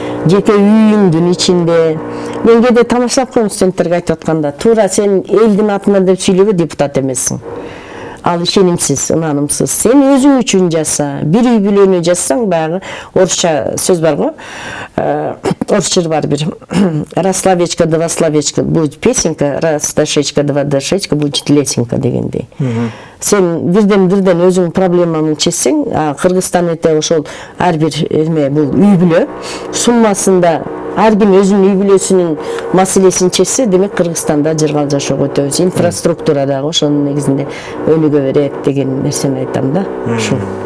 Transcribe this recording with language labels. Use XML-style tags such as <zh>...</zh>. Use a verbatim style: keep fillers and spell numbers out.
<ky>Жеке үйүңдүн ичинде. Мен кээде тамашалап коем студенттерге айтып атканда, туура сен элдин атынан деп сүйлөгө депутат эмессиң. Ал ишенимсиз, ынанымсыз. Сен өзүң үчүн жаса, бир үй бүлөнү жассаң, баягы орусча сөз бар го, орусча бар бир.</ky> <ru>Раз словечко, два словечко будет песенка, раз дошечка, два дошечка будет лесенка</ru> <ky>дегендей. Сен бирден-бирден өзүң проблеманы чечсең, Кыргызстан эте ошол ар бир эме бул үй бүлө суммасында ар ким өзүнүн үй бүлөсүнүн маселесин чечсе, демек Кыргызстанда жыргал жашоо көтөбүз. Инфраструктура дагы ошонун негизинде өнүгө берет деген нерсени айтам да. Ушул.</ky>